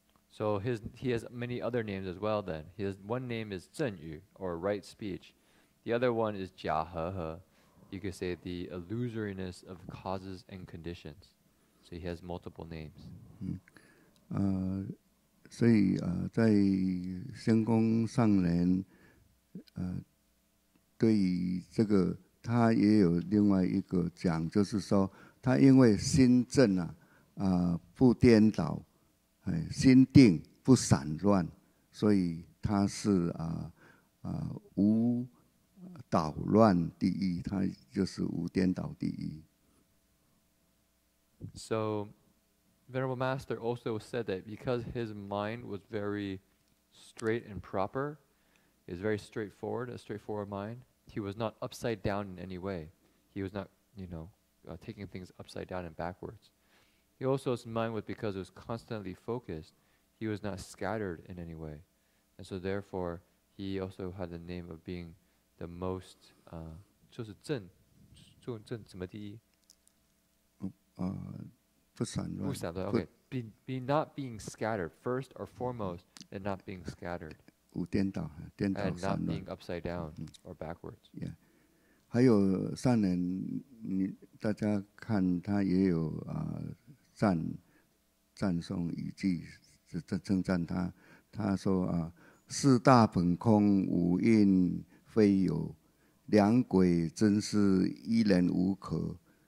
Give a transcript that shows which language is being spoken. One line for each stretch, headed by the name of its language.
English: So he has many other names as well then. His one name is 正语 or right speech. The other one is 假和合。You could say the illusoriness of causes and conditions. So he has multiple names.
Chinese: 所以、在仙宫上人、对于这个他也有另外一个讲，就是说他因为心正、不颠倒、心定不散乱，所以他是、无捣乱第一，他就是无颠倒第一。
English: So Venerable Master also said that because his mind was very straight and proper, is very straightforward, a straightforward mind, he was not upside down in any way. He was not, you know, taking things upside down and backwards. He also, his mind was because it was constantly focused, he was not scattered in any way. And so therefore, he also had the name of being the most,
Chinese: 就是正，就正什么第一？不散乱。不散乱。
English: Okay, be not being scattered first or foremost, and not being scattered.
Chinese: 无颠倒，颠倒散乱。
English: And not being upside down or backwards. Yeah.
Chinese: 还有善人，你大家看他也有啊、赞颂语句，称赞他。他说啊、四大本空，五蕴非有，两鬼真是一人无可。